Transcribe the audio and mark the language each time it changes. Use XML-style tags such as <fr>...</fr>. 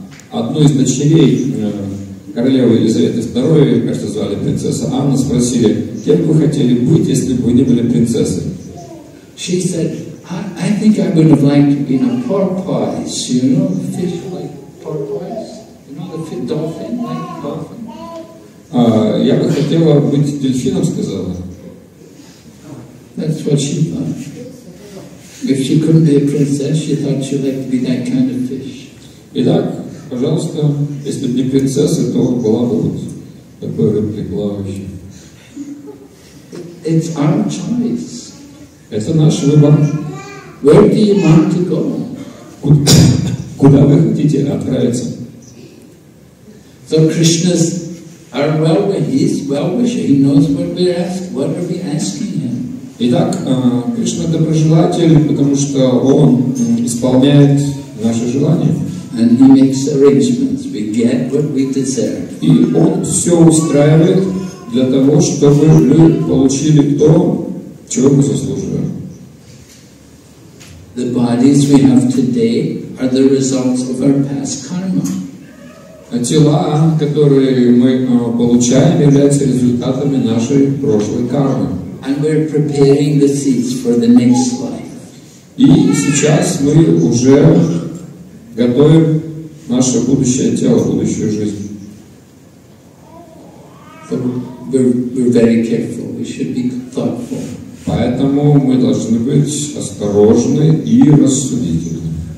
<ru>Одну из дочерей королевы Елизаветы II, кажется, звали принцесса Анна, спросили, кем бы вы хотели быть, если бы вы не были принцессой?</ru> <en>She said, I think I would have liked to be in a porpoise, you know, the fish like porpoise, you know, the dolphin like dolphin.</en> <ru>Я бы хотела быть дельфином, сказала.</ru> <en>That's what she thought. If she couldn't be a princess, she thought she'd like to be that kind of fish.</en> <ru>Итак, пожалуйста, если бы не принцесса, то была бы вот такой рыбкой плавающей.</ru> <en>It's our choice.</en> <ru>Это наш выбор.</ru> <en>Where do you want to go?</en> <ru>Куда вы хотите отправиться?</ru> <en>So Krishna's our well-wisher. He's well-wisher. He knows what we're asking. What are we asking him?</en> <ru>Итак, Кришна доброжелатель, потому что он исполняет наши желания.</ru> <en>And he makes arrangements. We get what we deserve.</en> <ru>И он все устраивает для того, чтобы мы получили то, чего мы заслуживаем.</ru> <en>The bodies we have today are the results of our past karma.</en> <ru>А тела, которые мы получаем, являются результатами нашей прошлой кармы.</ru> <en>And we're preparing the seeds for the next life.</en> <ru>И сейчас мы уже готовим наше будущее тело, будущую жизнь.</ru> <en>So we're very careful. We should be thoughtful.</en> <ru>Поэтому мы должны быть осторожны и рассудительны.</ru>